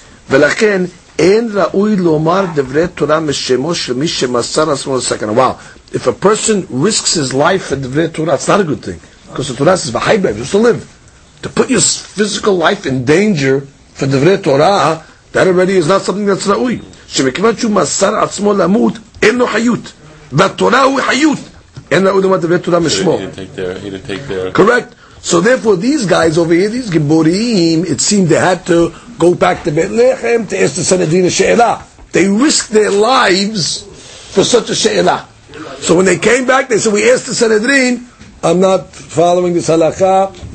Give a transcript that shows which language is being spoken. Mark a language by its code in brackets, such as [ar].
[he] ולכן, אין ראוי לומר דברי תורה משמו של מי שמסר עצמו לסכנה. [en] Wow, if a person risks his life for דברי תורה, it's not a good thing. Because the Torah says, "V'hai bev, just to live." To put your physical life in danger for דברי תורה, that already is not something that's ראוי. [he] שמכיוון שהוא מסר עצמו למות, אין לו חיות. והתורה הוא חיות. אין ראוי לומר דברי תורה משמו. [en] Correct. So therefore, these guys over here, these Giborim, it seemed they had to go back to Beit Lechem to ask the Sanhedrin a she'elah. They risked their lives for such a she'elah. So when they came back, they said, "We asked the Sanhedrin, I'm not following this halakha.